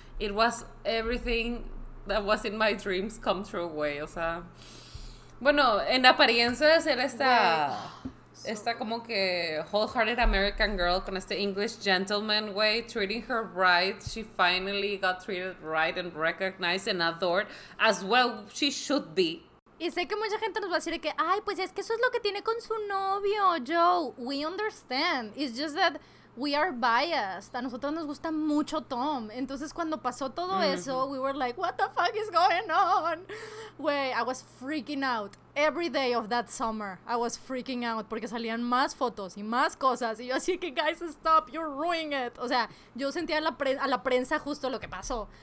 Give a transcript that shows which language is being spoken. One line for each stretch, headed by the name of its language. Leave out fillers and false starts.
English: It was everything that was in my dreams come true, güey.
Spanish: O sea, bueno, en apariencias era esta, como que
English: wholehearted American girl
Spanish: con este
English: English gentleman, güey, treating her right. She finally got treated right and recognized and adored as well she should be.
Spanish: Y sé que mucha gente nos va a decir que, ay, pues es que eso es lo que tiene con su novio, Joe.
English: We understand. It's just that we are biased.
Spanish: A nosotros nos gusta mucho Tom. Entonces, cuando pasó todo eso,
English: we were like, what the fuck is going on? Wey, I was freaking out. Every day of that summer, I was freaking out.
Spanish: Porque salían más fotos y más cosas. Y yo así que,
English: guys, stop, you're ruining it.
Spanish: O sea, yo sentía a la prensa justo lo que pasó.